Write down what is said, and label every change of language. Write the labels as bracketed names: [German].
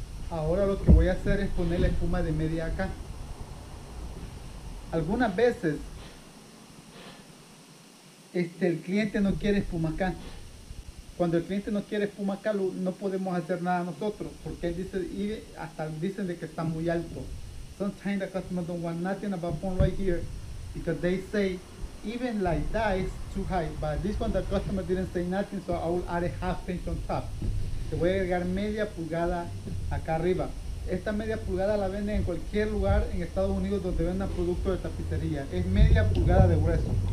[Spanish] Ahora lo que voy a hacer es poner la espuma de media acá. Algunas veces el cliente no quiere espuma acá. Cuando el cliente no quiere espuma acá, no podemos hacer nada nosotros, porque él dice, y hasta dicen de que está muy alto. [English] Sometimes the customers don't want nothing about phone right here because they say even like that is too high, but this one the customer didn't say nothing, so I will add a half inch on top. [Spanish] Te voy a agregar media pulgada acá arriba. Esta media pulgada la venden en cualquier lugar en Estados Unidos donde vendan productos de tapicería. Es media pulgada de grueso.